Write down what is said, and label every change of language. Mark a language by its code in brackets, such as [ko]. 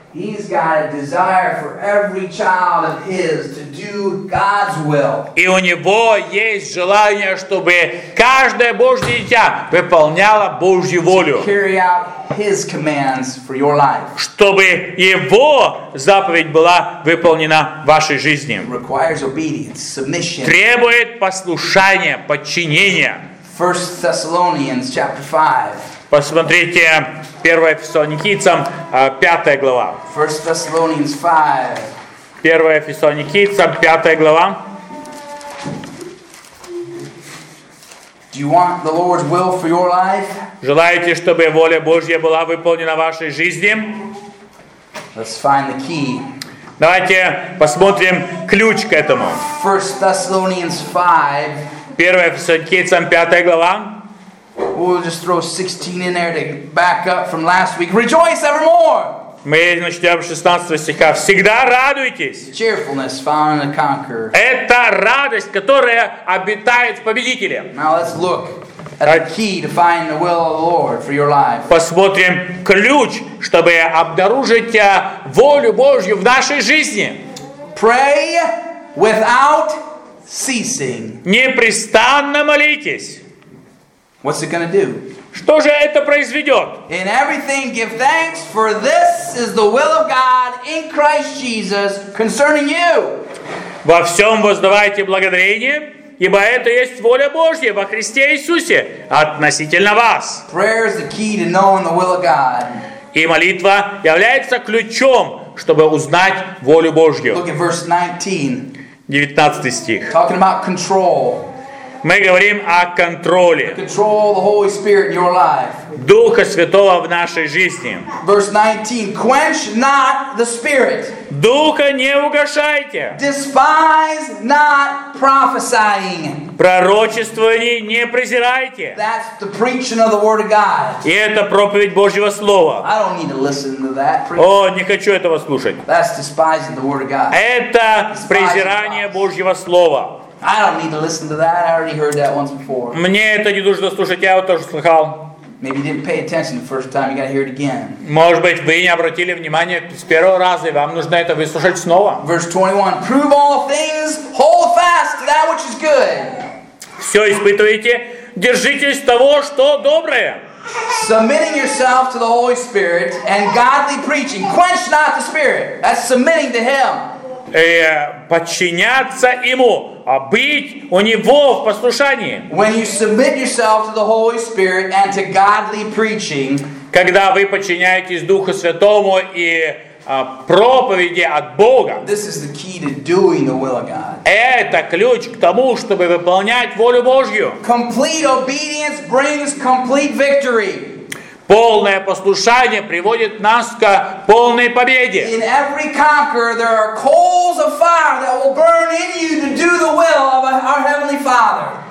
[en] He's got a desire for every child of his to do God's will. [ru] И у него есть желание, чтобы каждое Божье дитя выполняло Божью волю. [en] To carry out his commands for your life. [ru] Чтобы его заповедь была выполнена в вашей жизни. [en] It requires obedience, submission. [ru] Требует послушания, подчинения. [en] 1 Thessalonians chapter 5. [ru] Посмотрите 1 Фессалоникийцам, 5 глава. [en] 1 Thessalonians 5. [ru] 1 Фессалоникийцам, 5 глава. [en] Do you want the Lord's will for your life? [ru] Желаете, чтобы воля Божья была выполнена в вашей жизни? [en] Let's find the key. [ru] Давайте посмотрим ключ к этому. [en] 1 Thessalonians 5. [ru] 1 Фессалоникийцам, 5 глава. [en] We'll just throw 16 in there to back up from last week. Rejoice evermore. [ru] Мы начнем с 16 стиха. Всегда радуйтесь. [en] Cheerfulness found in the conqueror. [ru] Это радость, которая обитает в победителе. [en] Now let's look at the key to find the will of the Lord for your life. [ru] Посмотрим ключ, чтобы обнаружить волю Божью в нашей жизни. [en] Pray without ceasing. [ru] Непрестанно молитесь. [en] What's it going to do? [ru] Что же это произведет? [en] In everything give thanks, for this is the will of God in Christ Jesus concerning you. [ru] Во всем воздавайте благодарение, ибо это есть воля Божья во Христе Иисусе относительно вас. [en] Prayer is the key to knowing the will of God. [ru] И молитва является ключом, чтобы узнать волю Божью. [en] Look at verse 19. [ru] 19 стих. [en] Talking about control. [ru] Мы говорим о контроле. [en] Control the Holy Spirit in your life. [ru] Духа Святого в нашей жизни. [en] Verse 19. Quench not the Spirit. [ru] Духа не угашайте. [en] Despise not prophesying. [ru] Пророчествований не презирайте. [en] That's the preaching of the Word of God. [ru] И это проповедь Божьего Слова. [en] I don't need to listen to that preaching. [ru] О, не хочу этого слушать. [en] That's despising the Word of God. [ru] Это [en] despising [ru] презирание [en] God. [ru] Божьего Слова. [en] I don't need to listen to that. I already heard that once before. [ru] Мне это не нужно слушать, я его тоже слыхал. [en] Maybe you didn't pay attention the first time. You got to hear it again. [ru] Может быть, вы не обратили внимания с первого раза, и вам нужно это выслушать снова. [en] Verse 21. Prove all things, hold fast to that which is good. [ru] Все испытывайте, держитесь того, что доброе. [en] Submitting yourself to the Holy Spirit and godly preaching. Quench not the Spirit. That's submitting to Him. [ru] Подчиняться Ему, а быть у Него в послушании. [en] When you submit yourself to the Holy Spirit and to godly preaching, [ru] когда вы подчиняетесь Духу Святому и проповеди от Бога, [en] this is the key to doing the will of God. [ru] Это ключ к тому, чтобы выполнять волю Божью. [en] Complete obedience brings complete victory. [ru] Полное послушание приводит нас к полной победе. [en] In every conqueror there are coals of fire that will burn in you to do the will of our Heavenly Father.